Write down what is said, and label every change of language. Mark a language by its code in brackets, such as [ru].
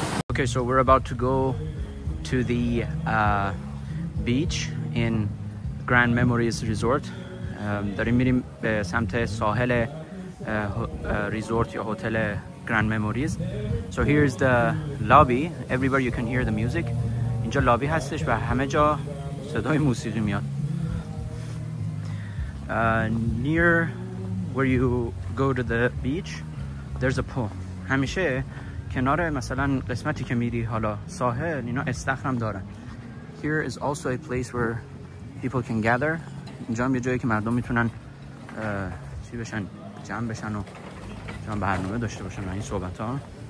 [en] Okay, so we're about to go to the beach in Grand Memories Resort. [fa] داریم میریم به سمت ساحل resort یا هتل Grand Memories. [en] So here's the lobby. Everywhere you can hear the music. [fa] اینجا لابی هستش و همه جا صدای موسیقی میاد. [en] Near where you go to the beach, there's a pool. [fa] همیشه کنار مثلا قسمتی که میری حالا ساحل اینا استخر هم دارن. [en] Here is also a place where people can gather. [fa] اینجا هم یه جایی که مردم میتونن چی بشن، جمع بشن و جمع برنامه داشته باشن و این صحبت ها.